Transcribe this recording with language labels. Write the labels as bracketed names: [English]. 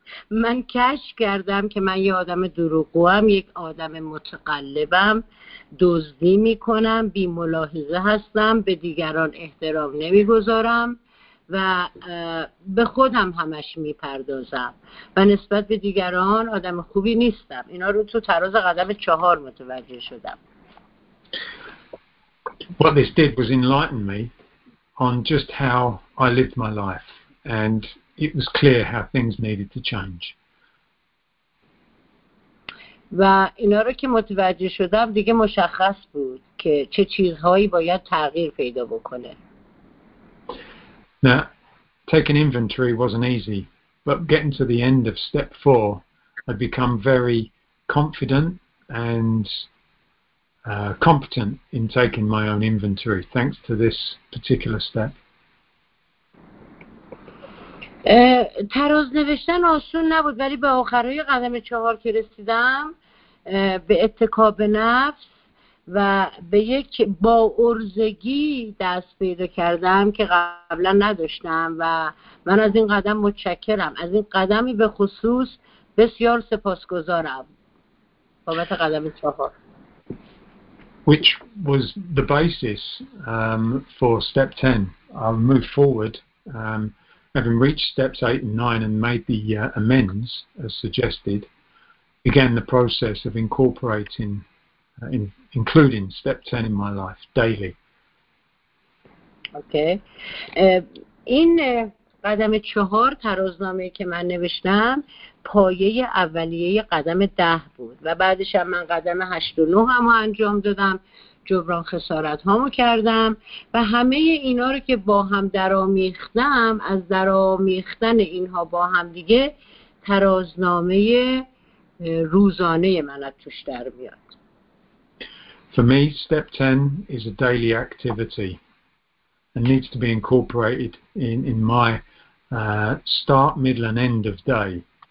[Persian] من کشف کردم که من یه آدم دروغگوام، یک آدم متقلبم، دزدی میکنم، بی ملاحظه هستم، به دیگران احترام نمیگذارم و به خودم همش میپردازم و نسبت به دیگران آدم خوبی نیستم. اینا رو تو تراز قدم 4 متوجه شدم. [English] What this did was enlighten me on just how I lived my life. And it was clear how things needed to change. [Persian] و اینا رو که متوجه شدم دیگه مشخص بود که چه چیزهایی باید تغییر پیدا بکنه. [English] Now, taking inventory wasn't easy, but getting to the end of step 4, I'd become very confident and competent in taking my own inventory, thanks to this particular step. [Persian] تراز نوشتن آسون نبود ولی به آخرهای قدم چهار که رسیدم به اتکاب نفس و به یک با ارزگی دست پیدا کردم که قبلا نداشتم و من از این قدم متشکرم، از این قدمی به خصوص بسیار سپاسگزارم بابت قدم چهار. [English] Which was the basis for step 10. I've moved forward, having reached steps 8 and 9 and made the amends as suggested, began the process of incorporating, including step 10 in my life daily. Okay. [Persian] این قدم چهار ترازنامه که من نوشتم پایه اولیه قدم 10 بود و بعدش هم من قدم 8 و 9 هم انجام دادم، جبران خسارت هامو کردم و همه اینا رو که با هم درامیختم، از درامیختن اینها با هم دیگه ترازنامه روزانه من از توش در میاد. [English] For me, step 10 is a daily activity and needs to be incorporated in my start, middle and end of day.